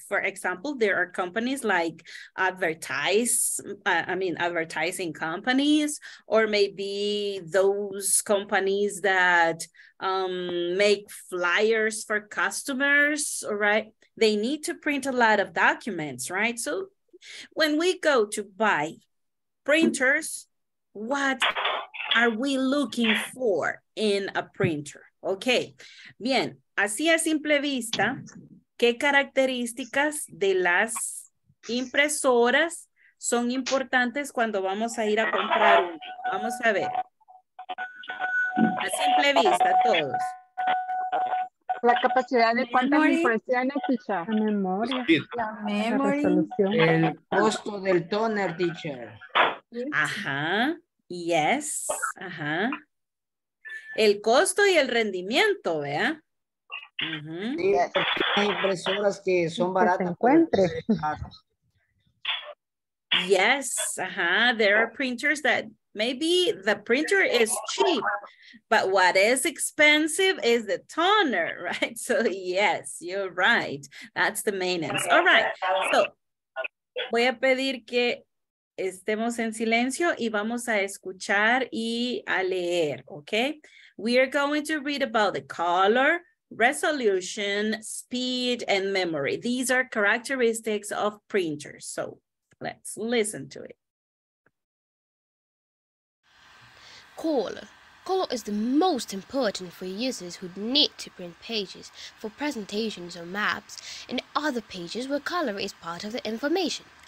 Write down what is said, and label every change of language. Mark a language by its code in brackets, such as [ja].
[en] For example, there are companies like advertising companies, or maybe those companies that make flyers for customers, right? They need to print a lot of documents, right? So when we go to buy printers, what are we looking for in a printer? [es] Okay, bien, así a simple vista, ¿qué características de las impresoras son importantes cuando vamos a ir a comprar una? Vamos a ver. A simple vista, todos. La capacidad de cuántas impresiones, teacher. La memoria. La memoria. El costo del toner, teacher. Ajá. [en] Yes. [es] Ajá. El costo y el rendimiento, ¿vea? Uh-huh. Sí, hay impresoras que son baratas. Se encuentre. [en] Yes, uh-huh. There are printers that maybe the printer is cheap, but what is expensive is the toner, right? So yes, you're right. That's the maintenance. All right. [es] So voy a pedir que estemos en silencio y vamos a escuchar y a leer, okay? [en] We are going to read about the color, resolution, speed, and memory. These are characteristics of printers. So let's listen to it. Color. Color is the most important for users who need to print pages for presentations or maps and other pages where color is part of the information.